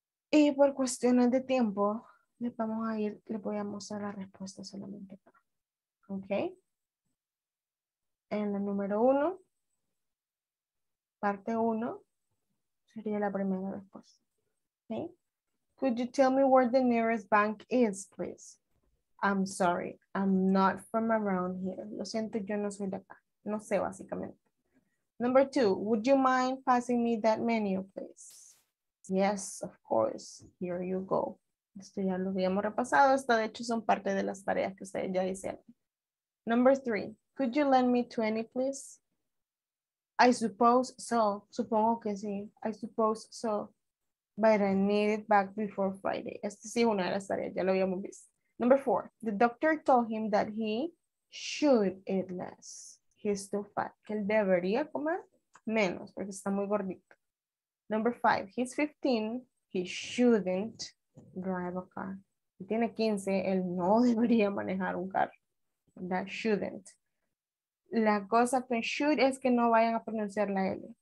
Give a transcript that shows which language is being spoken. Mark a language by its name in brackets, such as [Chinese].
[Spanish] Y por cuestiones de tiempo, les voy a mostrar la respuesta solamente. ¿Ok? En la número 1, parte 1, sería la primera respuesta. [English] Okay. Could you tell me where the nearest bank is, please? I'm sorry, I'm not from around here. [Spanish] Lo siento, yo no soy de acá. No sé, básicamente. [English] Number 2, would you mind passing me that menu, please? Yes, of course, here you go. [Spanish] Esto ya lo habíamos repasado. Esto, de hecho, son parte de las tareas que ustedes ya hicieron. [English] Number 3. Could you lend me 20, please? I suppose so. [Spanish] Supongo que sí. [English] I suppose so. But I need it back before Friday. [Spanish] Esta sí es una de las tareas. Ya lo habíamos visto. [English] Number 4. The doctor told him that he should eat less. He's too fat. [Spanish] Que él debería comer menos porque está muy gordito. [English] Number 5. He's 15. He shouldn't drive a car. [Spanish] Si tiene 15, él no debería manejar un carro. [English] That shouldn't. [Spanish] La cosa con should es que no vayan a pronunciar la L.